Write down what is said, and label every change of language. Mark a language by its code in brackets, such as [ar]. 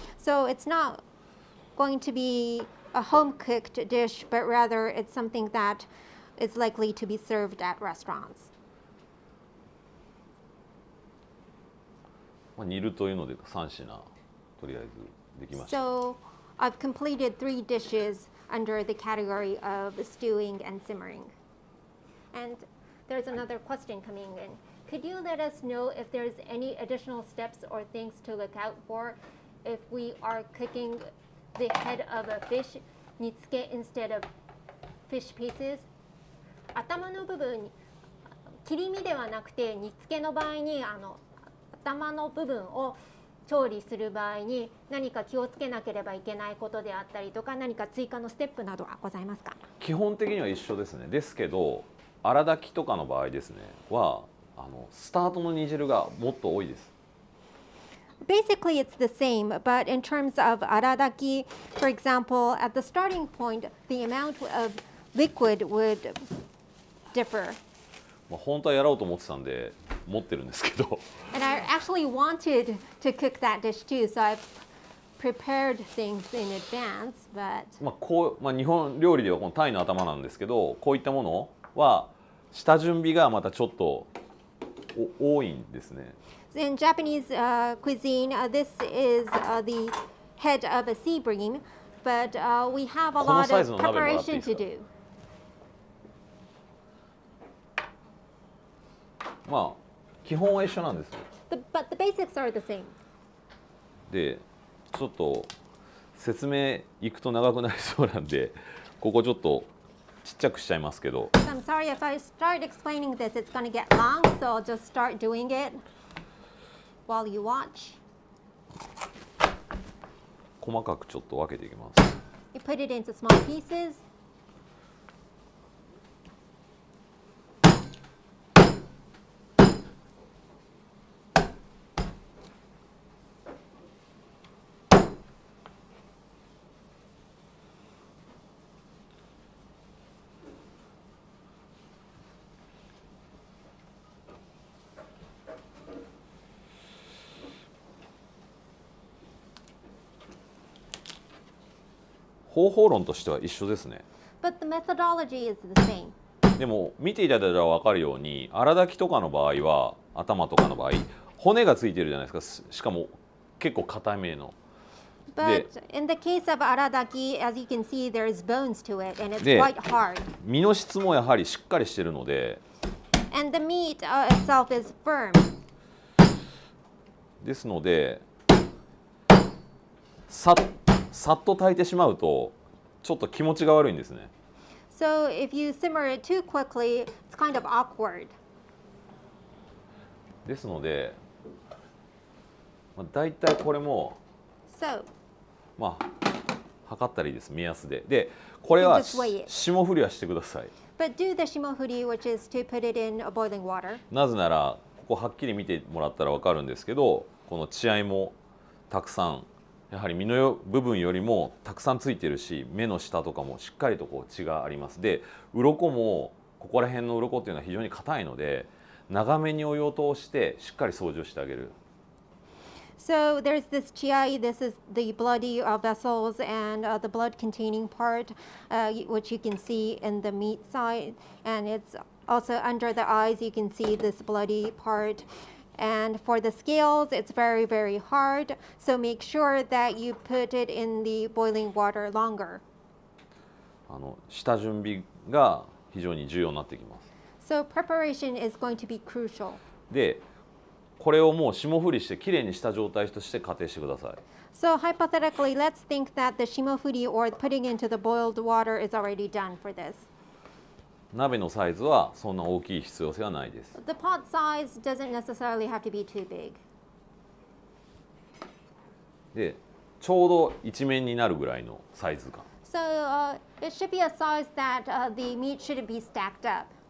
[en] So it's not going to be a home cooked dish, but rather it's something that is likely to be served at restaurants. [ja] まあ、煮るというので三品とりあえずできました。 [en] So I've completed three dishes. Under the category of stewing and simmering. And there's another question coming in. Could you let us know if there's any additional steps or things to look out for if we are cooking the head of a fish, 煮付け instead of fish pieces? [ja] 頭の部分、切り身ではなくて煮付けの場合に、あの、頭の部分を調理する場合に何か気をつけなければいけないことであったりとか、何か追加のステップなどはございますか？基本的には一緒ですね。ですけど、粗挽きとかの場合ですね、はあのスタートの煮汁がもっと多いです。 [en] Basically, it's the same, but in terms of 粗挽き、for example, at the starting point, the amount of liquid would differ. [ja] 本当はやろうと思ってたんで、持ってるんですけど。 [en] And I actually wanted to cook that dish too, so I prepared things in advance, but. [ja] まあこう、まあ日本料理ではこのタイの頭なんですけど、こういったものは下準備がまたちょっと多いんですね。 [en] In Japanese, cuisine, this is, the head of a sea bream, but, we have a lot of preparation to do. [ja] まあ、基本は一緒なんです。 [en] But the basics are the same. [ja] で、ちょっと説明いくと長くなりそうなんで、ここちょっとちっちゃくしちゃいますけど。 [en] I'm sorry if I start explaining this, it's going to get long, so I'll just start doing it while you watch. [ja] 細かくちょっと分けていきます。 [en] You put it into small pieces. But the methodology is the same. [ja] でも見ていただいたら分かるように、荒炊きとかの場合は、頭とかの場合、骨がついてるじゃないですか。しかも結構硬めの。 [en] But in the case of 荒炊き, as you can see, there is bones to it, and it's quite hard. [ja] 身の質もやはりしっかりしてるので。 [en] And the meat itself is firm. [ja] ですので、さっと炊いてしまうとちょっと気持ちが悪いんですね。 [en] So if you simmer it too quickly, it's kind of awkward. [ja] ですので、まあ、だいたいこれも、 [en] so, [ja] まあ測ったらいいです。目安で。で、これは霜降りはしてください。 [en] But do the 霜降り, which is to put it in a boiling water. [ja] なぜならここはっきり見てもらったらわかるんですけど、この血合いもたくさん。やはり身の部分よりもたくさんついてるし、目の下とかもしっかりとこう血があります。で、鱗もここら辺の鱗っていうのは非常に硬いので、長めにお湯を通してしっかり掃除をしてあげる。 [en] So there's this 血合い. This is the bloody vessels and the blood containing part, which you can see in the meat side. And it's also under the eyes, you can see this bloody part. And for the scales, it's very, very hard. So make sure that you put it in the boiling water longer. [ja] 下準備が非常に重要になってきます。 [en] So preparation is going to be crucial. [ja] で、これをもう霜降りしてきれいにした状態として仮定してください。 [en] So hypothetically, let's think that the 霜降り or putting into the boiled water is already done for this. [ja] 鍋のサイズはそんな大きい必要性はないです。 [en] The pot size doesn't necessarily have to be too big. [ja] で、ちょうど一面になるぐらいのサイズ感。 [en] So, it should be a size that, the meat shouldn't be stacked up.